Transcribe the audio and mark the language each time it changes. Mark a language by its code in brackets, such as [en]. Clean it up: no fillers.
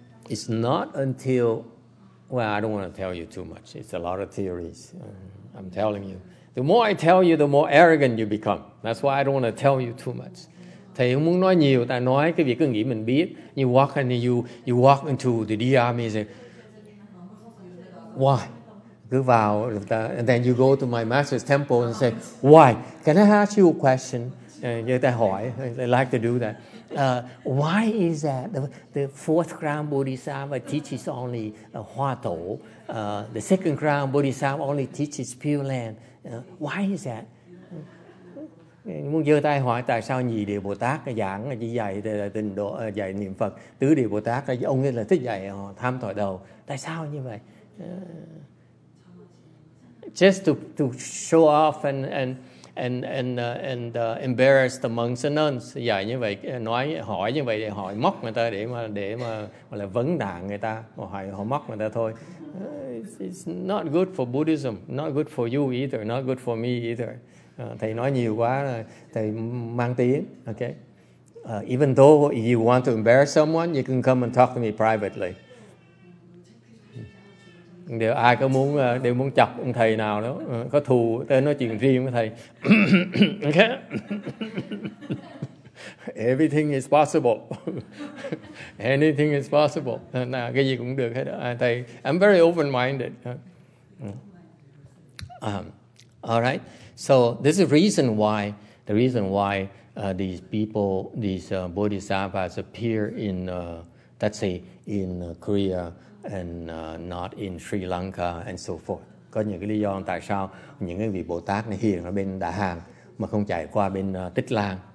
[en] It's not until, well, I don't want to tell you too much. It's a lot of theories. I'm telling you. The more I tell you, the more arrogant you become. That's why I don't want to tell you too much. [vi] Thầy không muốn nói nhiều, ta nói cái việc cứ nghĩ mình biết. [en] You walk and you walk into the DR meeting. Why? [vi] Cứ vào, [en] and then you go to my master's temple and say, why? Can I ask you a question? [vi] Người ta hỏi, [en] they like to do that. Why is that the fourth ground bodhisattva teaches only hoa thổ, the second ground bodhisattva only teaches pure land? Why is that? [vi] Muốn giơ tay hỏi tại sao nhị địa Bồ Tát giảng chỉ dạy tịnh độ, dạy niệm Phật, tứ địa Bồ Tát ông ấy là thích dạy tham thọ đầu, tại sao như vậy? [en] Just to show off and embarrass the monks and nuns, [vi] dạy như vậy, nói hỏi như vậy để hỏi móc người ta, để mà là vấn nạn người ta, hỏi họ móc người ta thôi. [en] It's not good for Buddhism, not good for you either, not good for me either. [vi] Thầy nói nhiều quá, thầy mang tiếng. Okay. [en] Even though if you want to embarrass someone, you can come and talk to me privately. [vi] Nếu ai có muốn, đều muốn chọc ông thầy nào đó, có thù, tới nói chuyện riêng với thầy. Okay. [en] Everything is possible. Anything is possible. [vi] Nào, cái gì cũng được hết. Thầy, [en] I'm very open-minded. All right. So this is the reason why these people, these bodhisattvas appear in, let's say, in Korea and not in Sri Lanka and so forth. [vi] Có những cái lý do tại sao những cái vị Bồ Tát này hiện ở bên Đà Hàng mà không chạy qua bên Tích Lan.